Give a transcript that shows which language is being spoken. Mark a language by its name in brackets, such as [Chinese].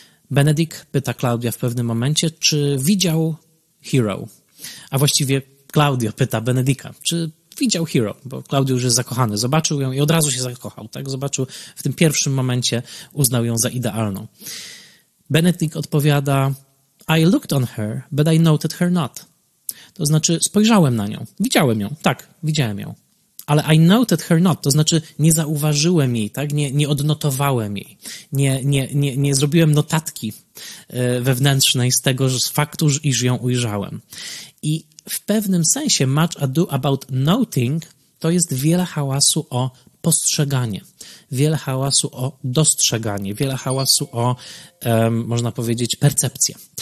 [Polish] Benedict pyta Claudia w pewnym momencie, czy widział Hero. A właściwie Claudio pyta Benedicta, czy widział Hero, bo Claudio już jest zakochany, zobaczył ją i od razu się zakochał, tak? Zobaczył w tym pierwszym momencie, uznał ją za idealną. Benedict odpowiada, [English] I looked on her, but I noted her not. [Polish] To znaczy, spojrzałem na nią, widziałem ją, tak, widziałem ją, ale [English] I noted her not, [Polish] to znaczy nie zauważyłem jej, tak? Nie odnotowałem jej, nie zrobiłem notatki wewnętrznej z tego, z faktu, iż ją ujrzałem. I w pewnym sensie [English] much ado about noting [Polish] to jest wiele hałasu o postrzeganie, wiele hałasu o dostrzeganie, wiele hałasu o, można powiedzieć, percepcję.